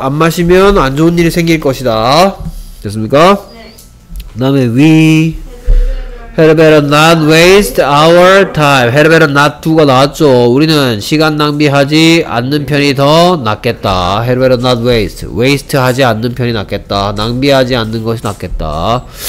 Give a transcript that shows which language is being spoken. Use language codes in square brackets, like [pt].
[ko] 네. 안 마시면 안 좋은 일이 생길 것이다. 됐습니까? 네. [en] 다음에 we had better not waste our time. Had better not [ko] 2가 나왔죠. 우리는 시간 낭비하지 않는 편이 더 낫겠다. [en] Had better not waste. Waste [ko] 하지 않는 편이 낫겠다. 낭비하지 않는 것이 낫겠다.